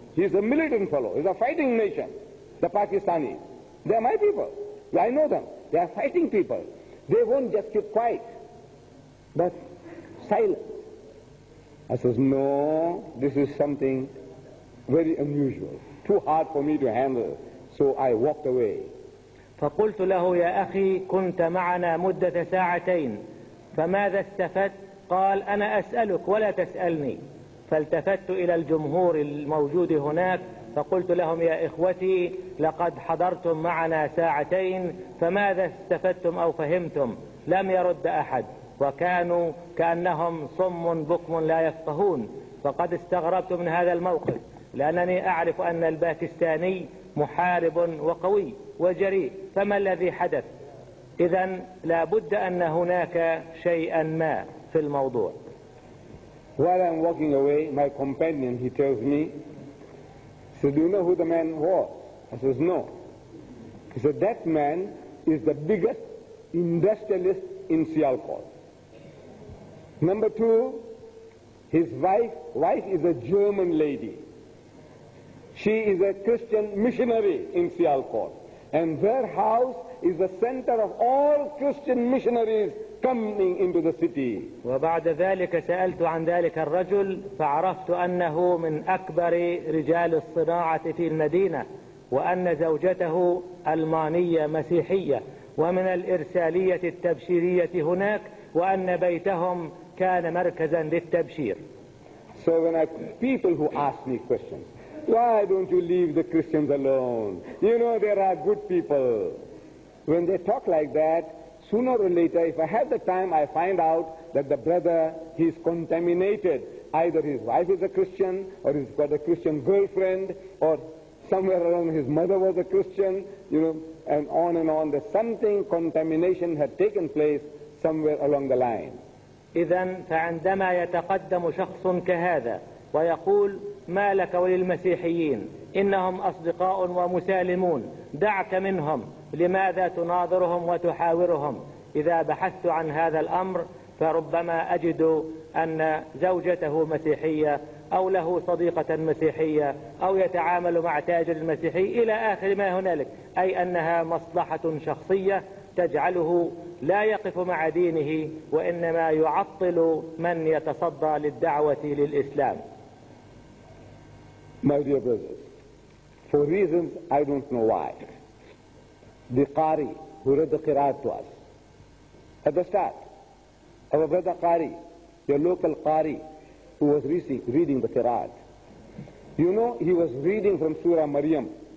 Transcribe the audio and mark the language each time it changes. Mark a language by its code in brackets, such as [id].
[en] He's a militant fellow. He's a fighting nation, the Pakistani. They're my people. I know them. They are fighting people. They won't just keep quiet, but silent. I says, no, this is something very unusual, too hard for me to handle. So I walked away. [ar] فقلت له يا أخي كنت معنا مدة ساعتين فماذا استفدت؟ قال أنا أسألك ولا تسألني. فالتفت إلى الجمهور الموجود هناك فقلت لهم يا إخوتي لقد حضرتم معنا ساعتين فماذا استفدتم أو فهمتم؟ لم يرد أحد وكانوا كأنهم صم بكم لا يفقهون. فقد استغربت من هذا الموقف لأنني أعرف أن الباكستاني محارب وقوي وجريء، فما الذي حدث؟ إذن لابد أن هناك شيئا ما في الموضوع. [en] While I'm walking away, my companion, he tells me, he said, do you know who the man was? I says, no. He said, that man is the biggest industrialist in Sialkot. Number two, his wife is a German lady. She is a Christian missionary in Sialkot. And their house is the center of all Christian missionaries coming into the city. [ar] وبعد ذلك سألت عن ذلك الرجل فعرفت أنه من أكبر رجال الصناعة في المدينة وأن زوجته ألمانية مسيحية ومن الإرسالية التبشيرية هناك وأن بيتهم كان مركزا للتبشير. [en] So when people who ask me questions, why don't you leave the Christians alone? You know there are good people. When they talk like that, sooner or later, if I have the time, I find out that the brother, he is contaminated. Either his wife is a Christian, or he's got a Christian girlfriend, or somewhere around his mother was a Christian, you know, and on, there's something, contamination had taken place somewhere along the line. [ar] إذن فعندما يتقدم شخص كهذا ويقول ما لك وللمسيحيين إنهم أصدقاء ومسالمون دعك منهم لماذا تناظرهم وتحاورهم؟ إذا بحثت عن هذا الأمر فربما أجد أن زوجته مسيحية أو له صديقة مسيحية أو يتعامل مع تاجر مسيحي إلى آخر ما هنالك، أي أنها مصلحة شخصية تجعله لا يقف مع دينه وإنما يعطل من يتصدى للدعوة للإسلام. [en] My dear brothers, for reasons I don't know why, the Qari who read the Qiraat to us at the start, our brother Qari, your local Qari who was reading the Qiraat, you know he was reading from Surah Maryam.